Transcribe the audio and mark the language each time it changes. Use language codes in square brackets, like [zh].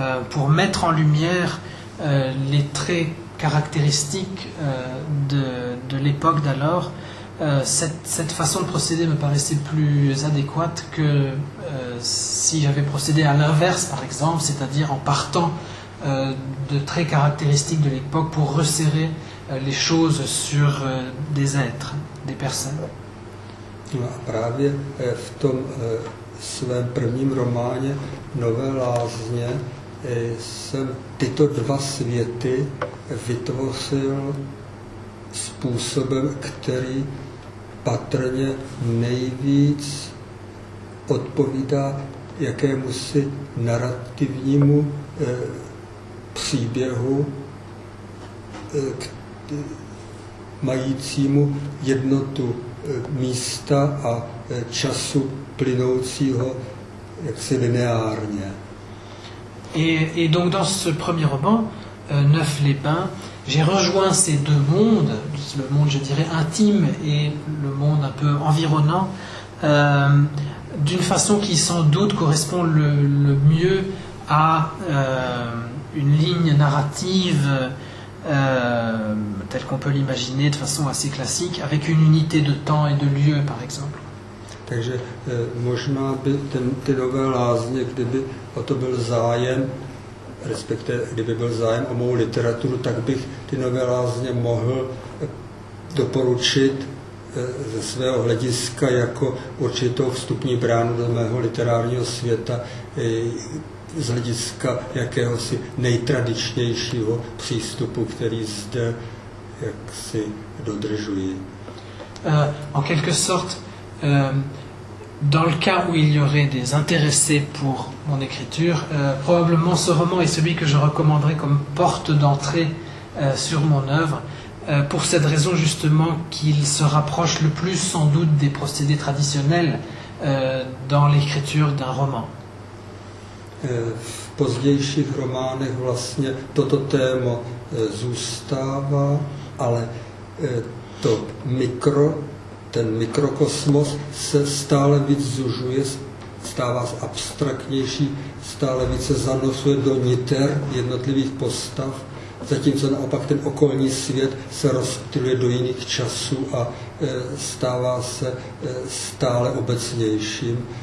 [fr] pour mettre en lumière les traits caractéristiques de l'époque d'alors, cette façon de procéder me paraissait plus adéquate que si j'avais procédé à l'inverse, par exemple, c'est-à-dire en partant de traits caractéristiques de l'époque pour resserrer les choses sur des êtres, des personnes. [cs] Právě v tom svém prvním románě Nové lázně jsem tyto dva světy vytvořil způsobem, který patrně nejvíc odpovídá jakémusi narrativnímu příběhu majícímu jednotu místa a času plynoucího jaksi lineárně. [fr] Et donc dans ce premier roman, Neuf les Bains, j'ai rejoint ces deux mondes, le monde, je dirais, intime et le monde un peu environnant, d'une façon qui sans doute correspond le mieux à une ligne narrative telle qu'on peut l'imaginer de façon assez classique, avec une unité de temps et de lieu, par exemple. [cs] Takže možná by ty Nové lázně, kdyby o to byl zájem, respektive kdyby byl zájem o mou literaturu, tak bych ty Nové lázně mohl doporučit ze svého hlediska jako určitou vstupní bránu do mého literárního světa z hlediska jakéhosi nejtradičnějšího přístupu, který zde jaksi dodržuji. [fr] En quelque sorte, dans le cas où il y aurait des intéressés pour mon écriture, probablement ce roman est celui que je recommanderais comme porte d'entrée sur mon œuvre, pour cette raison justement qu'il se rapproche le plus sans doute des procédés traditionnels dans l'écriture d'un roman. [cs] V pozdějších románech vlastně toto téma zůstává, ale to mikro, ten mikrokosmos se stále víc zužuje, stává se abstraktnější, stále víc se zanosuje do niter jednotlivých postav, zatímco naopak ten okolní svět se rozptyluje do jiných časů a stává se stále obecnějším.